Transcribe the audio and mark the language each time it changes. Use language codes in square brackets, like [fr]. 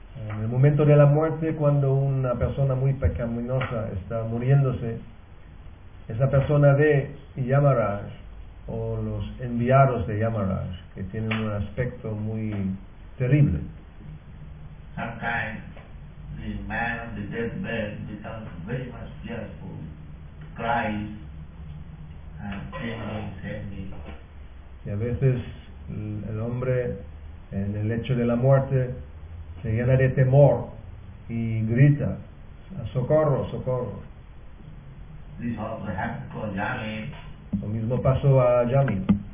[es] En el momento de la muerte, cuando una persona muy pecaminosa está muriéndose, esa persona ve Yamaraj o los enviados de Yamaraj, que tienen un aspecto muy terrible. [en] Sometimes the man on the deathbed becomes very much fearful, cries, and save me. [es] Y a veces el hombre en el lecho de la muerte se llena de temor y grita, socorro, socorro. [en] This also happened to Yami. [es] Lo mismo pasó a Yami.